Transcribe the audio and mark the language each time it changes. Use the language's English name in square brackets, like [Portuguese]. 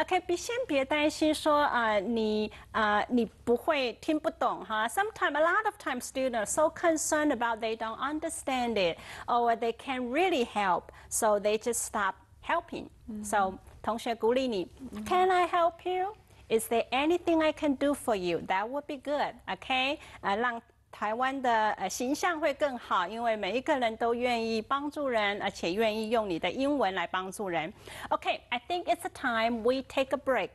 [Chinese] Okay, 先别担心说你不会听不懂哈。 [English] Sometimes, a lot of times, students are so concerned about they don't understand it or they can't really help, so they just stop helping. Mm-hmm. So, [Chinese] 同学鼓励你 [English] mm-hmm. can I help you? Is there anything I can do for you? That would be good, okay? [Chinese] 让台湾的形象会更好，因为每一个人都愿意帮助人，而且愿意用你的英文来帮助人。 [English] Okay, I think it's time we take a break.